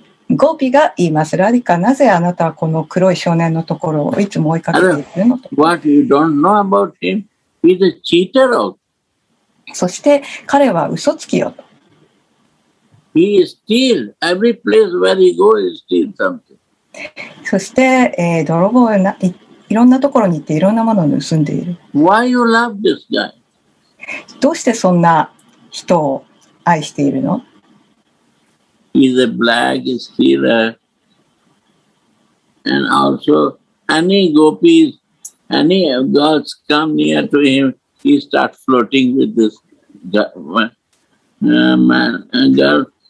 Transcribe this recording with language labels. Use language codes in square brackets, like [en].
[ja] ゴピが言います。ラディカ、なぜあなたはこの黒い少年のところをいつも追いかけているのと。 [en] What you don't know about him? He's a cheater. [ja] そして彼は嘘つきよと。 [en] He steals every place where he goes, he steals something. [ja] そして、泥棒な いろんなところに行っていろんなものを盗んでいる。 [en] Why you love this guy? [ja] どうしてそんな人を愛しているの？ [en] He's a black stealer. And also, any gopis, any girls come near to him, he starts flirting with this man, girl.